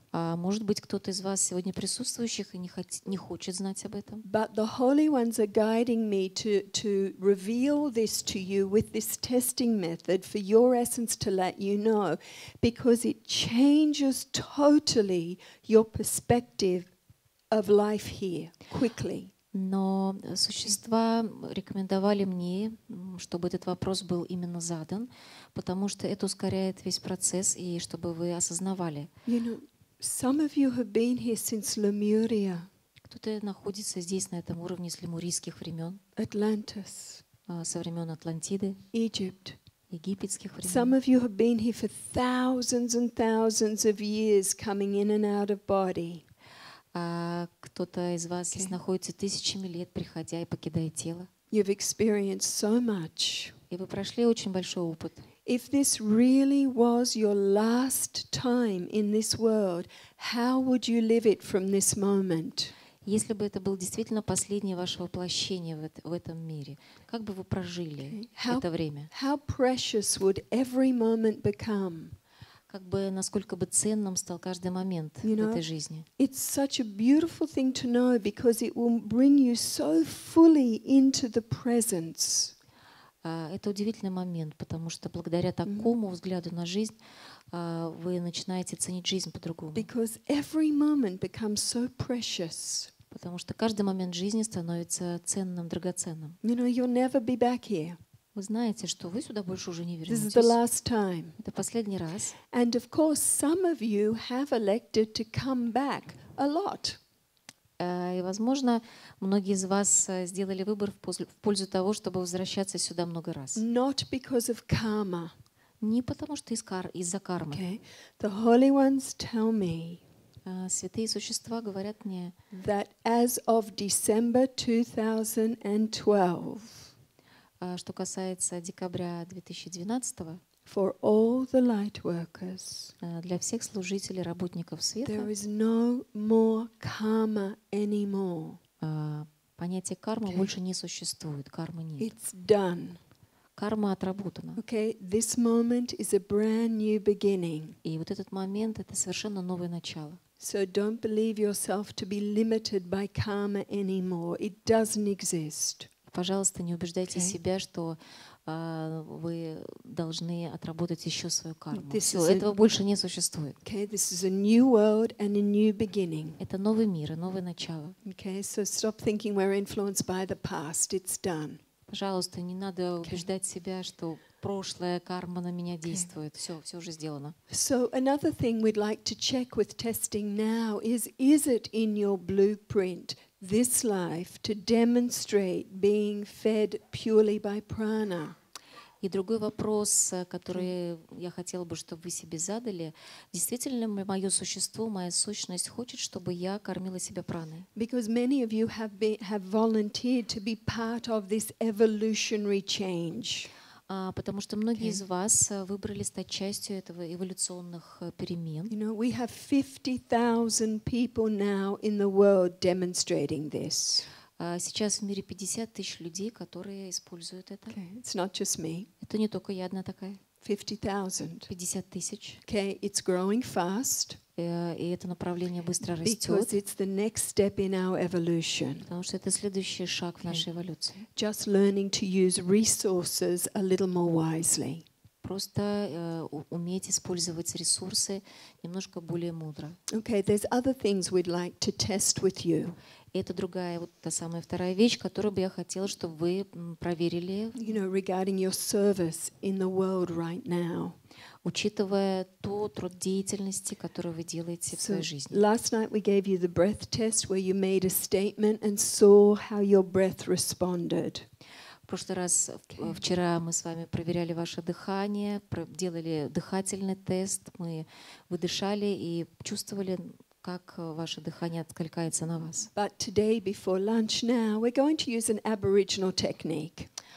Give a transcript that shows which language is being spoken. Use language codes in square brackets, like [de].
[ru] Может быть, кто-то из вас сегодня присутствующих и не хочет знать об этом. [en] But the Holy Ones are guiding me to reveal this to you with this testing method for your essence to let you know, because it changes totally your perspective of life here quickly. [ru] Но существа рекомендовали мне, чтобы этот вопрос был именно задан, потому что это ускоряет весь процесс и чтобы вы осознавали. [en] You know, some of you have been here since Lemuria. [ru] Кто-то находится здесь на этом уровне с лемурийских времен. [en] Atlantis. [ru] Со времен Атлантиды. [en] Egypt. [ru] Египетских времен. [en] Some of you have been here for thousands and thousands of years, coming in and out of body. [ru] Кто-то из вас здесь находится тысячами лет, приходя и покидая тело. [en] You've experienced so much. [ru] И вы прошли очень большой опыт. [en] If this really was your last time in this world, how would you live it from this moment? [ru] Если бы это было действительно последнее ваше воплощение в этом мире, как бы вы прожили это время? [en] How precious would every moment become? [ru] Как бы насколько бы ценным стал каждый момент в этой жизни? [en] It's such a beautiful thing to know, because it will bring you so fully into the presence. [ru] Это удивительный момент, потому что благодаря такому взгляду на жизнь вы начинаете ценить жизнь по-другому. [en] Because every moment becomes so precious. [ru] Потому что каждый момент жизни становится ценным, драгоценным. [en] You know, you'll never be back here. [ru] Вы знаете, что вы сюда больше уже не вернетесь. [en] This is the last time. [ru] Это последний раз. [en] And of course, some of you have elected to come back a lot. [ru] И, возможно, многие из вас сделали выбор в пользу того, чтобы возвращаться сюда много раз. [en] Not because of karma. [ru] Не потому что из-за кармы. [en] Okay. The Holy Ones tell me. [ru] Святые существа говорят мне. [en] That as of December 2012. [ru] Что касается декабря 2012-го. [en] For all the light workers. [ru] Для всех служителей, работников света. [en] There is no more karma anymore. [ru] Понятие карма больше не существует. Кармы нет. [en] It's done. [ru] Карма отработана. [en] Okay, this moment is a brand new beginning. [ru] И вот этот момент — это совершенно новое начало. [en] So don't believe yourself to be limited by karma anymore. It doesn't exist. [ru] пожалуйста, не убеждайте себя, что вы должны отработать еще свою карму. Все, этого больше не существует. [en] Okay, this is a new world and a new beginning. [ru] Это новый мир и новое начало. [en] Okay, so stop thinking we're influenced by the past. It's done. [ru] Пожалуйста, не надо убеждать себя, что прошлая карма на меня действует. Все, все уже сделано. [en] So another thing we'd like to check with testing now is it in your blueprint this life to demonstrate being fed purely by prana? [ru] И другой вопрос, который я хотела бы, чтобы вы себе задали, действительно ли мое существо, моя сущность хочет, чтобы я кормила себя праной? [en] Because many of you have volunteered to be part of this evolutionary change. [ru] Потому что многие из вас выбрали стать частью этого эволюционных перемен. [en] You know, we have 50,000 people now in the world demonstrating this. [ru] Сейчас в мире 50 тысяч людей, которые используют это. [en] Okay, it's not just me. [ru] Это не только я одна такая. [en] 50,000. [ru] 50 тысяч. [en] Okay, it's growing fast. [ru] И это направление быстро растет. [en] Because it's the next step in our evolution. [ru] Потому что это следующий шаг в нашей эволюции. [en] Just learning to use resources a little more wisely. [ru] Просто уметь использовать ресурсы немножко более мудро. [en] Okay, there's other things we'd like to test with you. [ru] Это другая, вот та самая вторая вещь, которую бы я хотела, чтобы вы проверили. [en] You know, regarding your service in the world right now. [ru] Учитывая ту труд деятельности, которую вы делаете в своей жизни. [en] Last night we gave you the breath test where you made a statement and saw how your breath responded. [ru] В прошлый раз, вчера мы с вами проверяли ваше дыхание, делали дыхательный тест, мы выдышали и чувствовали, как ваше дыхание откликается на вас. [en] But today, before lunch now, we're going to use an aboriginal technique.